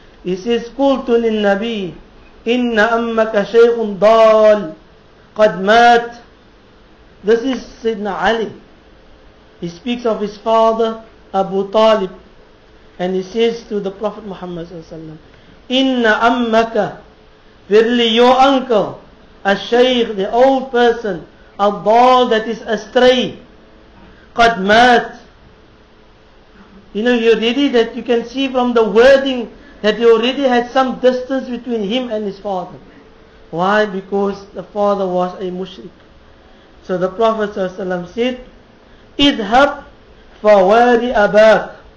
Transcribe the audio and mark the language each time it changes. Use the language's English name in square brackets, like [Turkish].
[English] He says, [Arabic] قلت للنبي إن أمك شيخ ضال قد مات. [English] This is Sayyidina Ali. He speaks of his father Abu Talib, and he says to the Prophet Muhammad sallallahu alaihi wasallam, [Arabic] إن أمك, [English] verily your uncle, a shaykh, the old person, a ضال, that is astray, [Arabic] قد مات. [English] You know, you already, that you can see from the wording that he already had some distance between him and his father. Why? Because the father was a mushrik. So the Prophet ﷺ said, [Arabic] اذهب فواري أباك.